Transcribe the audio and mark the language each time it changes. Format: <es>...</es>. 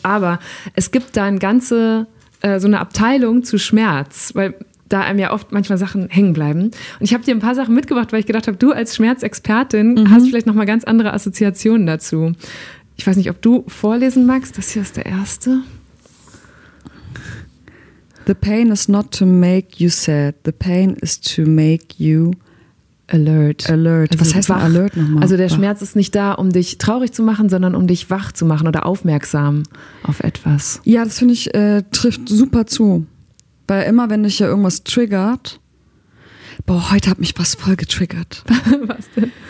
<de>Aber es gibt da ein ganze so eine Abteilung zu Schmerz, weil da einem ja oft manchmal Sachen hängen bleiben. Und ich habe dir ein paar Sachen mitgebracht, weil ich gedacht habe, du als Schmerzexpertin hast vielleicht nochmal ganz andere Assoziationen dazu. Ich weiß nicht, ob du vorlesen magst. Das hier ist der erste.</de> <en>The pain is not to make you sad. The pain is to make you alert. Alert.</en> <de>Also was heißt denn alert nochmal? Also der Schmerz ist nicht da, um dich traurig zu machen, sondern um dich wach zu machen oder aufmerksam auf etwas. Ja, das finde ich, trifft super zu. Weil immer, wenn dich ja irgendwas triggert, boah, heute hat mich was voll getriggert. Was denn?</de>